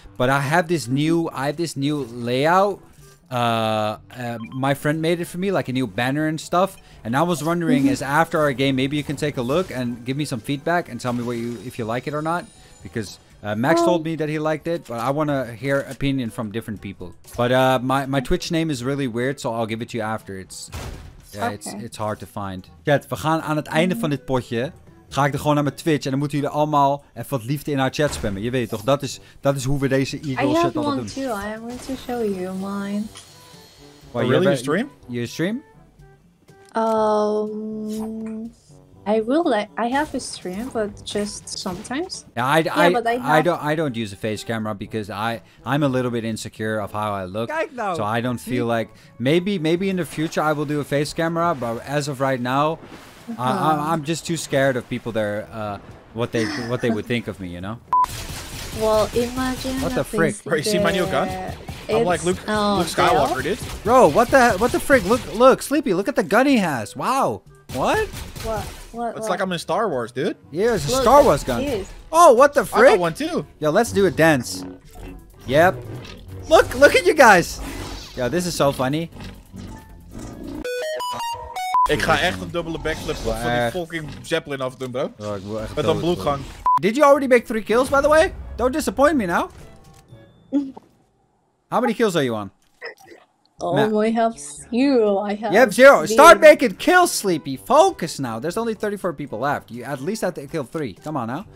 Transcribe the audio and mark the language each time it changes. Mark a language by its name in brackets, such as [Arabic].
[English] But I have this new layout. My friend made it for me, like a new banner and stuff. And I was wondering, is after our game, maybe you can take a look and give me some feedback and tell me what you if you like it or not. Because Max told me that he liked it, but I want to hear opinion from different people. But my Twitch name is really weird, so I'll give it to you after. It's hard to find. [Dutch] Chat, we gaan aan het einde van dit potje. Ga ik er gewoon naar mijn Twitch en dan moeten jullie allemaal even wat liefde in haar chat spammen. Je weet toch, dat is hoe we deze Eagle shit altijd doen. [English] I have one too, I want to show you mine. Oh, you really? Stream? You stream? I will, I have a stream, but just sometimes. I don't use a face camera because I'm a little bit insecure of how I look. So I don't feel like, maybe in the future I will do a face camera, but as of right now, I'm just too scared of people there, what they would think of me, you know? Well, imagine... What the frick? Bro, you see my new gun? I'm like Luke Skywalker, dude. Bro, what the frick? Look, Sleepy, look at the gun he has. Wow. What? What? Like I'm in Star Wars, dude. Yeah, it's a Star Wars gun. Oh, what the frick? I got one too. Yo, let's do a dance. Yep. Look at you guys. Yo, this is so funny. [Dutch] Ik ga echt een dubbele backflip van die fucking zeppelin afdoen, bro. Oh, ik wil echt met een bloedgang. [English] Did you already make 3 kills, by the way? Don't disappoint me now. How many kills are you on? Oh, I have 0. You have 0. Start making kills, Sleepy. Focus now. There's only 34 people left. You at least have to kill 3. Come on now.